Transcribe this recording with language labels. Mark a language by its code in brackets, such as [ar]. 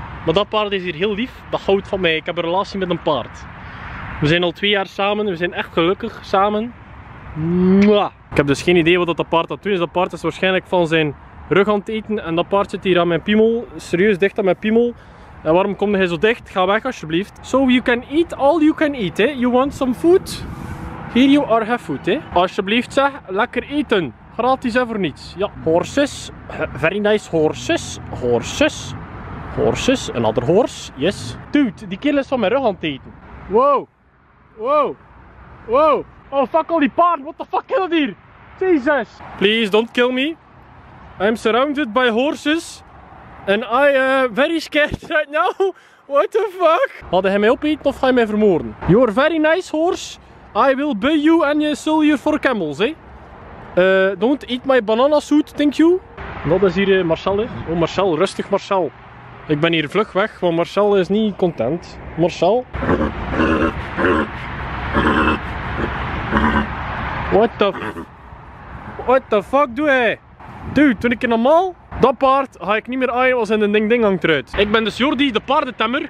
[nl] Maar dat paard is hier heel lief, dat houdt van mij. Ik heb een relatie met een paard. We zijn al 2 jaar samen, we zijn echt gelukkig samen. Mwah. Ik heb dus geen idee wat dat paard aan het doen is. Dat paard is waarschijnlijk van zijn rug aan het eten. En dat paard zit hier aan mijn piemel, serieus dicht aan mijn piemel. En waarom kom je zo dicht? Ga weg alsjeblieft. [en] So you can eat all you can eat, eh? You want some food? Here you are, have food, eh? [nl] Alsjeblieft zeg, lekker eten. Gratis en voor niets. Ja, horses. [en] Very nice horses. Horses. Horses, another horse, yes. [nl] Dude, die kerel is van mijn rug aan het eten. [en] Wow. Wow. Wow. Oh fuck [nl] al die paarden, [en] what the fuck [nl] is dat hier? [en] Jesus. Please don't kill me. I'm surrounded by horses. And I am very scared right now. What the fuck? [nl] Had hij mij opeten of ga je mij vermoorden? [en] You're very nice horse. I will buy you and you sell you for camels, eh? Don't eat my banana suit, thank you. [nl] Dat is hier Marcel, hè? Oh Marcel, rustig Marcel. Ik ben hier vlug weg, want Marcel is niet content. Marcel? [en] What the... What the fuck [nl] doe jij? [en] Dude, [nl] toen ik normaal... Dat paard ga ik niet meer aaien als in een ding ding hangt eruit. Ik ben dus Jordi, de paardentemmer.